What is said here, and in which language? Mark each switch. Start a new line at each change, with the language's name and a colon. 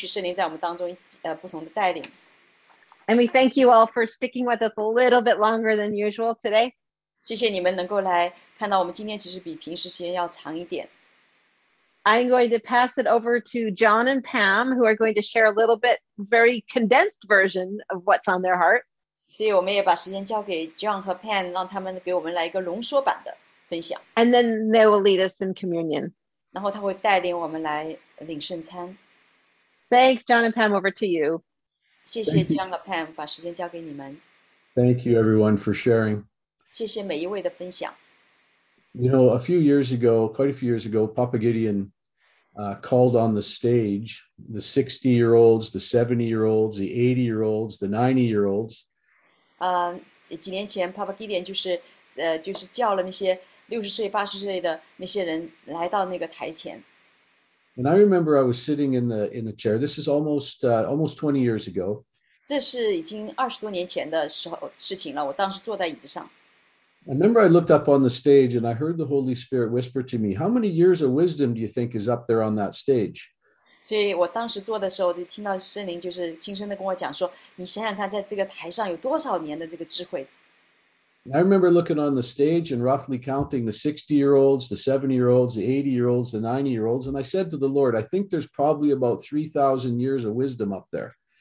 Chinese: 所以我们一直在改变，就是让圣灵容许圣灵在我们当中不同的带领。
English: And we thank you all for sticking with us a little bit longer than usual today.
Chinese: 谢谢你们能够来看到我们今天其实比平时时间要长一点。
English: I'm going to pass it over to John and Pam, who are going to share a little bit, very condensed version of what's on their heart.
Chinese: 所以我们也把时间交给John和Pam, 让他们给我们来一个浓缩版的分享。
English: And then they will lead us in communion.
Chinese: 然后他会带领我们来领圣餐。
English: Thanks, John and Pam, over to you.
Chinese: 谢谢John和Pam, 把时间交给你们。
English: Thank you, everyone, for sharing.
Chinese: 谢谢每一位的分享。
English: You know, a few years ago, quite a few years ago, Papa Gideon called on the stage the 60-year-olds, the 70-year-olds, the 80-year-olds, the 90-year-olds.
Chinese: 几年前, Papa Gideon就是叫了那些60岁、80岁的那些人来到那个台前。
English: And I remember I was sitting in the chair. This is almost 20 years ago.
Chinese: 这是已经20多年前的事情了,我当时坐在椅子上。
English: I remember I looked up on the stage and I heard the Holy Spirit whisper to me, how many years of wisdom do you think is up there on that stage?
Chinese: 所以我当时坐的时候就听到圣灵就是轻声地跟我讲说,你想想看在这个台上有多少年的这个智慧?
English: I remember looking on the stage and roughly counting the 60-year-olds, the 70-year-olds, the 80-year-olds, the 90-year-olds, and I said to the Lord, I think there's probably about 3,000 years of wisdom up there.